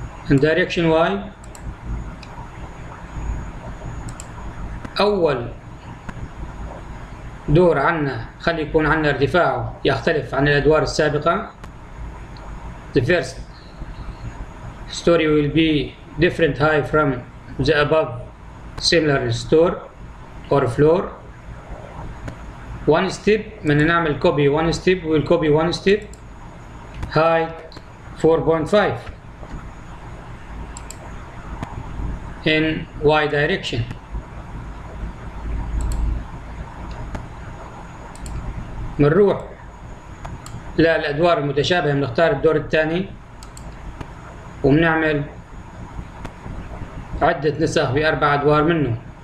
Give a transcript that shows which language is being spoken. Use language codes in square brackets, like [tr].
[en] In direction Y [ar] أول دور عنا، خلي يكون عنا ارتفاعه يختلف عن الأدوار السابقة. [en] The first story will be different high from the above similar store or floor. One step [ar] من نعمل [en] copy one step will copy one step height 4.5 in y direction. [ar] بنروح للادوار المتشابهه، بنختار الدور الثاني وبنعمل عده نسخ باربع ادوار منه.